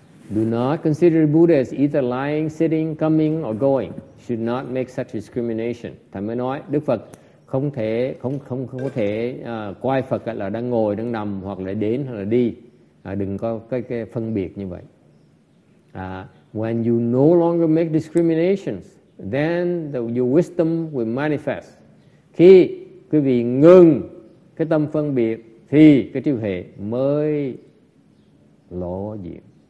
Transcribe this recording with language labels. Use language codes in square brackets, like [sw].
[en] do not consider the Buddha as either lying, sitting, coming or going. Should not make such discrimination. [vi] Thầy mới nói Đức Phật không có thể quay Phật là đang ngồi đang nằm hoặc là đến hoặc là đi, đừng có cái phân biệt như vậy. [en] When you no longer make discriminations, then your wisdom will manifest. [vi] Khi quý vị ngừng cái tâm phân biệt thì cái trí huệ mới lộ diện.